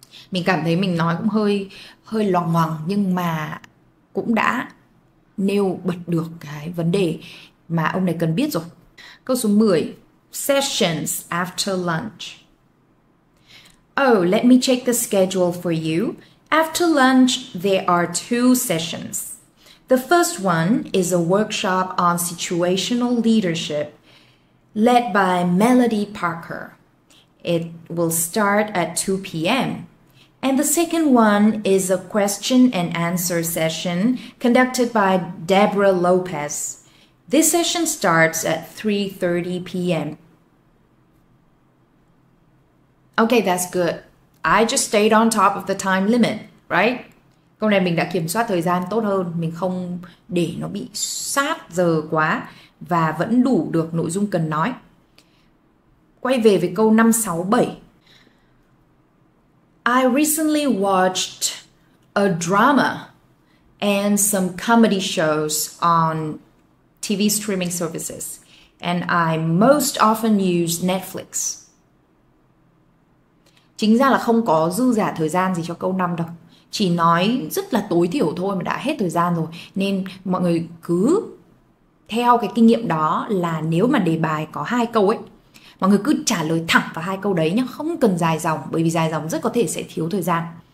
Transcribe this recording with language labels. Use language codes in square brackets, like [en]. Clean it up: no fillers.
[vi] Mình cảm thấy mình nói cũng hơi hơi loằng ngoằng, nhưng mà cũng đã nêu bật được cái vấn đề mà ông này cần biết rồi. Câu số 10. [en] Sessions after lunch. Oh, let me check the schedule for you. After lunch, there are two sessions. The first one is a workshop on situational leadership led by Melody Parker. It will start at 2 p.m. And the second one is a question and answer session conducted by Deborah Lopez. This session starts at 3:30 p.m. Okay, that's good. I just stayed on top of the time limit, right? [vi] Câu này mình đã kiểm soát thời gian tốt hơn, mình không để nó bị sát giờ quá và vẫn đủ được nội dung cần nói. Quay về với câu 5, 6, 7. [en] I recently watched a drama and some comedy shows on TV streaming services, and I most often use Netflix. [vi] Chính ra là không có dư giả thời gian gì cho câu 5 đâu. Chỉ nói rất là tối thiểu thôi mà đã hết thời gian rồi. Nên mọi người cứ theo cái kinh nghiệm đó là nếu mà đề bài có hai câu ấy, mọi người cứ trả lời thẳng vào hai câu đấy nhá, không cần dài dòng, bởi vì dài dòng rất có thể sẽ thiếu thời gian.